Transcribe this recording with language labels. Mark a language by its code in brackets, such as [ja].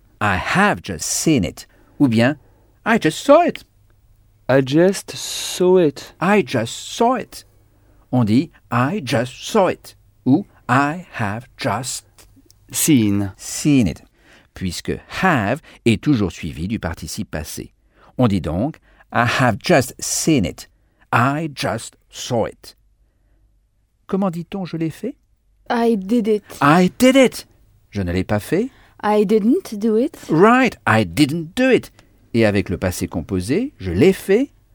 [en] I have just seen it. [fr] Ou bien [en] I just saw it. I just saw it. I just saw it. [fr] On dit [en] I just saw it. Ou I have just seen [fr] it, puisque have est toujours suivi du participe passé. On dit donc [en] I have just seen it, I just saw it. [fr] Comment dit-on je l'ai fait? [en] I did it. I did it. [fr] Je ne l'ai pas fait. [en] I didn't do it. Right, I didn't do it. [fr] Et avec le passé composé, je l'ai fait.